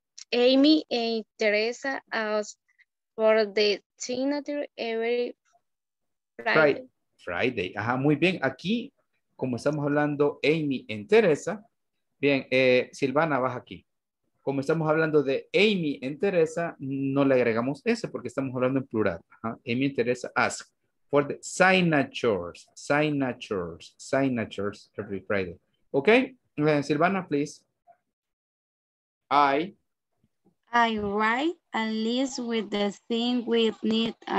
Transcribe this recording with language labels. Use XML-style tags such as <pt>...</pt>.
<en>Amy and Teresa ask for the signature every Friday.</en> <es>Friday, ajá, muy bien. Aquí, como estamos hablando Amy en Teresa, bien, Silvana, vas aquí. Como estamos hablando de Amy en Teresa, no le agregamos ese porque estamos hablando en plural. Ajá.</es> <en>Amy en Teresa ask for the signatures every Friday. Ok, Silvana, please. I write a list with the thing we need</en>